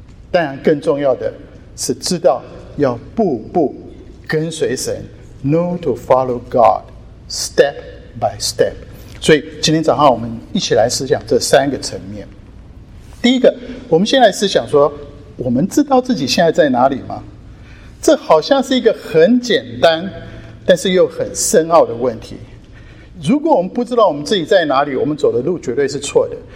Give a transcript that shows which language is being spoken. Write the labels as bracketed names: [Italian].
[Chinese] 当然更重要的是知道要步步跟随神。 [English] Know to follow God, step by step. [Chinese] 所以今天早上我们一起来思想这三个层面。第一个，我们先来思想说，我们知道自己现在在哪里吗？这好像是一个很简单，但是又很深奥的问题。如果我们不知道我们自己在哪里，我们走的路绝对是错的。